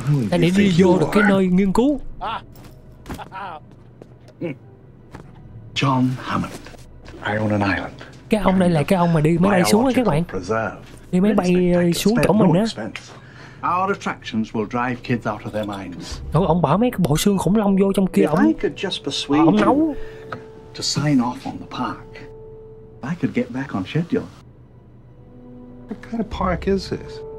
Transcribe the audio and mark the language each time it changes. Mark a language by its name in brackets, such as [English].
[Vietnamese] Ta để đi vô được cái nơi nghiên cứu. [English] John Hammond, I own an island. [Vietnamese] Cái ông đây là cái ông mà đi máy bay xuống á các bạn. Đi máy bay xuống chỗ mình á. [English] Our attractions will drive kids out of their minds. [Vietnamese] Ủa, ông bỏ mấy cái bộ xương khủng long vô trong kia ông. Ông nấu. [English] To sign off on the park, I could get back on schedule. What kind of park is this?